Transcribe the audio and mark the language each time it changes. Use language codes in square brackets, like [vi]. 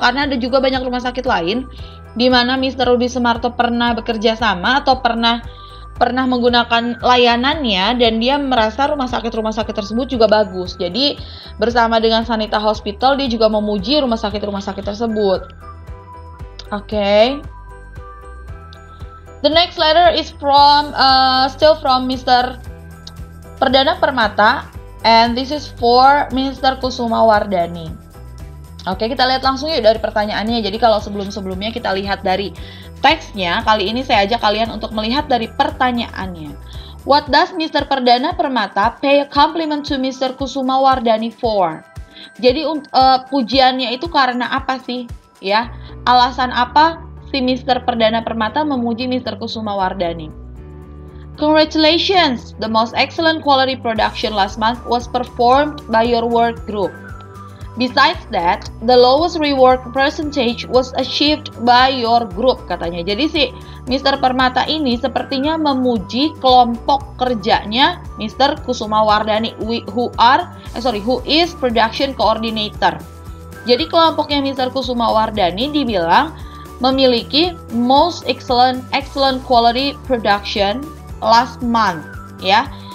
[id] Karena ada juga banyak rumah sakit lain di mana Mr. Rudy Sumarto pernah bekerja sama atau pernah menggunakan layanannya, dan dia merasa rumah sakit tersebut juga bagus. Jadi bersama dengan Sanita Hospital, dia juga memuji rumah sakit tersebut. [en] Okay. The next letter is from still from Mr. Perdana Permata, and this is for Mr. Kusuma Wardani. [id] Okay, kita lihat langsung yuk dari pertanyaannya. Jadi kalau sebelum-sebelumnya kita lihat dari teksnya, kali ini saya ajak kalian untuk melihat dari pertanyaannya. [en] What does Mr. Perdana Permata pay a compliment to Mr. Kusuma Wardani for? Oke, [id] Jadi pujiannya itu karena apa sih? Ya, alasan apa si Mr. Perdana Permata memuji Mr. Kusuma Wardani? [en] Congratulations, the most excellent quality production last month was performed by your work group. Besides that, the lowest reward percentage was achieved by your group, katanya. [id] Jadi si Mr. Permata ini sepertinya memuji kelompok kerjanya Mr. [en] Kusuma Wardani, who is production coordinator. [id] Jadi kelompoknya Mr. Kusuma Wardani dibilang memiliki [en] most excellent quality production last month, [id] ya.